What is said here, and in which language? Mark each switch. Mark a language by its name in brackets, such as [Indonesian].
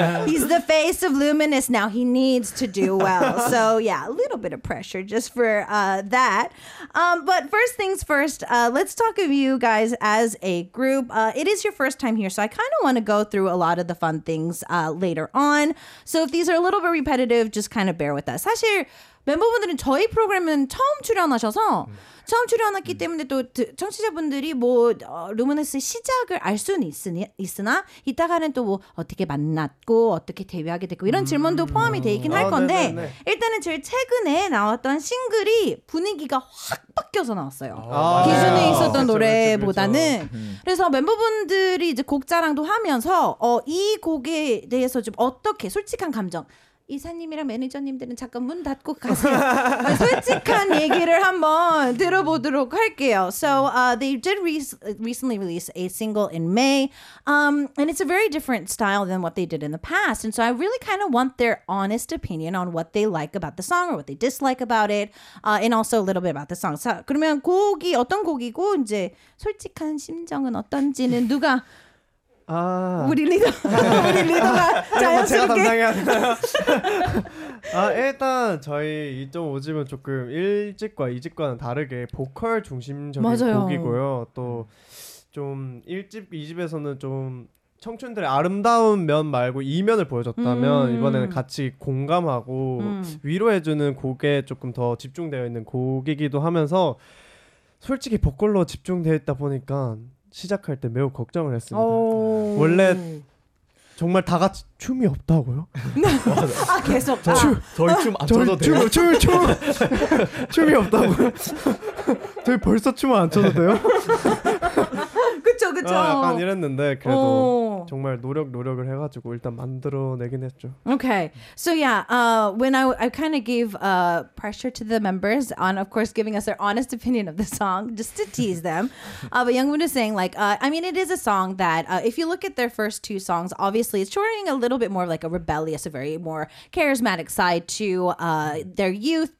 [English] He's the face of Luminous now. He needs to do well. So, yeah, a little bit of pressure just for that. But first things first, let's talk of you guys as a group. It is your first time here, so I kind of want to go through a lot of the fun things later on. So if these are a little bit repetitive, just kind of bear with us. [Korean] 사실 멤버분들은 저희 프로그램은 처음 출연하셔서 처음 출연했기 때문에 또 청취자분들이 뭐 루미너스의 시작을 알 수는 있으나 이따가는 또 뭐 어떻게 만났고 어떻게 데뷔하게 됐고 이런 질문도 포함이 돼 있긴 할 건데 네네네. 일단은 제일 최근에 나왔던 싱글이 분위기가 확 바뀌어서 나왔어요. 기존에 있었던 노래보다는 그래서 멤버분들이 이제 곡 자랑도 하면서 이 곡에 대해서 좀 어떻게 솔직한 감정 이사님이랑 매니저님들은 잠깐 문 닫고 가세요. 솔직한 얘기를 한번 들어보도록 할게요. [English] So they did recently release a single in May. And it's a very different style than what they did in the past. And so I really kind of want their honest opinion on what they like about the song or what they dislike about it. And also a little bit about the song. [Korean] 자, 그러면 곡이 어떤 곡이고 이제 솔직한 심정은 어떤지는 누가... 아 우리 리더 우리 리더가 자연스럽게 제가 담당해야 되나요? 아 일단 저희 2.5집은 조금 1집과 2집과는 다르게 보컬 중심적인 맞아요. 곡이고요. 또 좀 1집 2집에서는 좀 청춘들의 아름다운 면 말고 이면을 보여줬다면 이번에는 같이 공감하고 위로해주는 곡에 조금 더 집중되어 있는 곡이기도 하면서 솔직히 보컬로 집중되어 있다 보니까 시작할 때 매우 걱정을 했습니다. 원래 정말 다 같이 춤이 없다고요? 아 계속 저, 아. 저희 춤 안 춰도 돼요? 춤 춤이 없다고요? 저희 벌써 춤 안 춰도 돼요? 그쵸 그쵸 아, 약간 이랬는데 그래도 오. 정말 노력을 해가지고 일단 만들어내긴 했죠. [English] Okay, so yeah, when I kind of gave pressure to the members on, of course, giving us their honest opinion of the song, just to tease them. But Youngmin is saying like, I mean, it is a song that if you look at their first two songs, obviously it's showing a little bit more of like a rebellious, a very more charismatic side to their youth.